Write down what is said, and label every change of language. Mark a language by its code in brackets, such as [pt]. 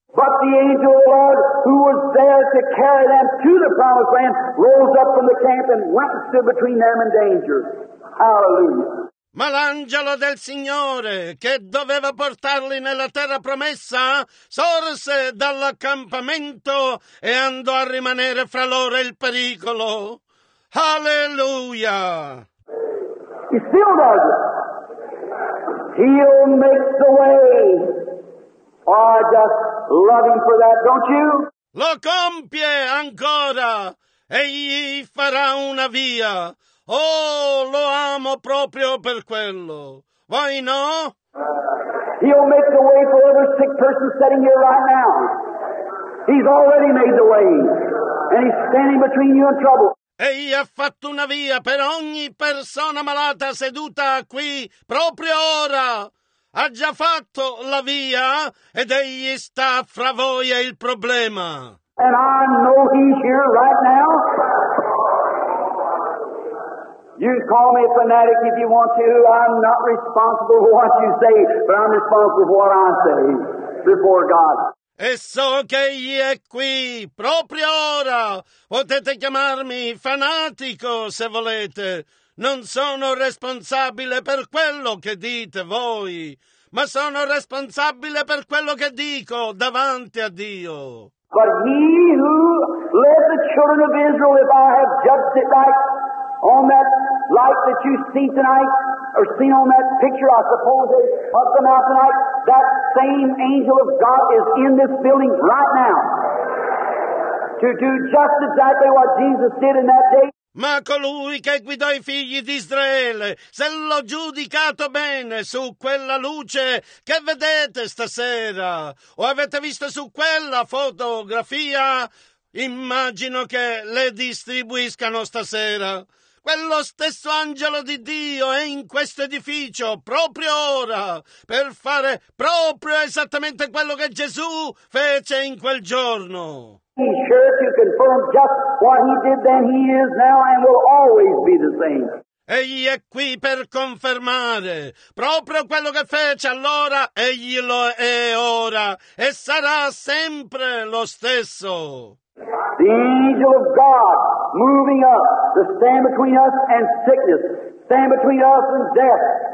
[en] But the angel of the Lord, who was there to carry them to the promised land, rose up from the camp and went and stood between them and danger. Hallelujah. [it] Ma l'angelo del Signore, che doveva portarli nella terra promessa, sorse dall'accampamento e andò a rimanere fra loro il pericolo. Hallelujah! [en] He still does it. He'll make the way. Oh, I just love him for that, don't you? [it] Lo compie ancora. Egli farà una via. Oh, lo amo proprio per quello. Voi no? [en] He'll make the way for every sick person sitting here right now. He's already made the way. And he's standing between you and trouble. [it] Egli ha fatto una via per ogni persona malata seduta qui proprio ora. Ha già fatto la via ed egli sta fra voi e il problema. [en] And I know he's here right now. You call me a fanatic if you want to. I'm not responsible for what you say, but I'm responsible for what I say before God. [it] E so che egli è qui, proprio ora. Potete chiamarmi fanatico se volete. Non sono responsabile per quello che dite voi, ma sono responsabile per quello che dico davanti a Dio. [en] But he who led the children of Israel, if I have judged it right, on that light that you see tonight, or seen on that picture, I suppose they put them out tonight, that same angel of God is in this building right now to do just exactly what Jesus did in that day. [it] Ma colui che guidò i figli di Israele, se l'ho giudicato bene su quella luce che vedete stasera, o avete visto su quella fotografia, immagino che le distribuiscano stasera. Quello stesso angelo di Dio è in questo edificio proprio ora per fare proprio esattamente quello che Gesù fece in quel giorno. [en] He's sure to confirm just what he did then, he is now and will always be the same. [it] Egli è qui per confermare proprio quello che fece allora, egli lo è ora e sarà sempre lo stesso. [en] The angel of God moving up to stand between us and sickness, stand between us and death.